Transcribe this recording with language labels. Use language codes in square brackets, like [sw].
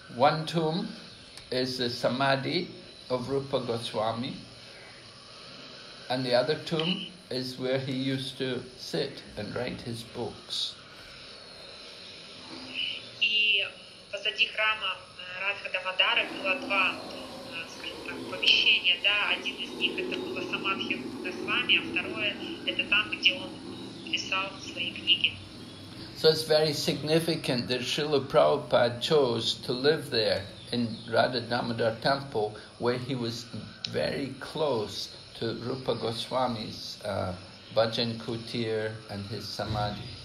[en] One tomb is the Samadhi of Rupa Goswami, and the other tomb is where he used to sit and write his books. [ru] И позади храма Радха Дамодара было два, скажем так, помещения, да, один из них это было Самадхи Госвами, а второе это там, где он писал свои книги. [en] So it's very significant that Srila Prabhupada chose to live there in Radha Damodar temple, where he was very close to Rupa Goswami's bhajan kutir and his samadhi.